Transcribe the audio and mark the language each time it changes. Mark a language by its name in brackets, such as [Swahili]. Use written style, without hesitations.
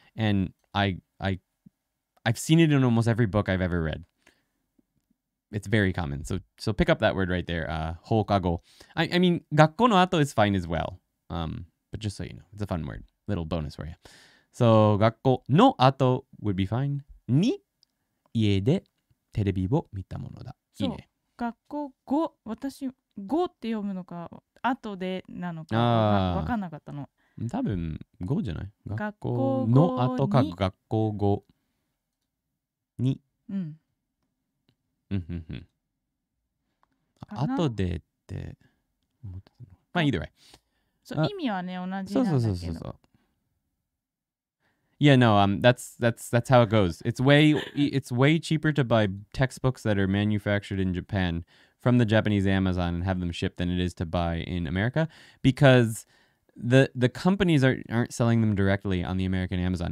[English] And I've seen it in almost every book I've ever read. It's very common. So pick up that word right there. Hokago. I mean, [Japanese] 学校の後 [English] is fine as well. But just so you know, it's a fun word. Little bonus for you. So [Japanese] 学校の後 [English] would be fine. Ni? [Japanese] 家でテレビを見たものだ。いいね。学校後、私、後って読むのか、後でなのか、分かんなかったの。多分、後じゃない。学校の後か、学校後に。うん。うんうんうん。後でって。 [English] まあ、either way。 [Japanese] そう、意味はね、同じなんだけど。そう。 [English] Yeah, no, that's how it goes. It's way cheaper to buy textbooks that are manufactured in Japan from the Japanese Amazon and have them shipped than it is to buy in America because the companies aren't selling them directly on the American Amazon.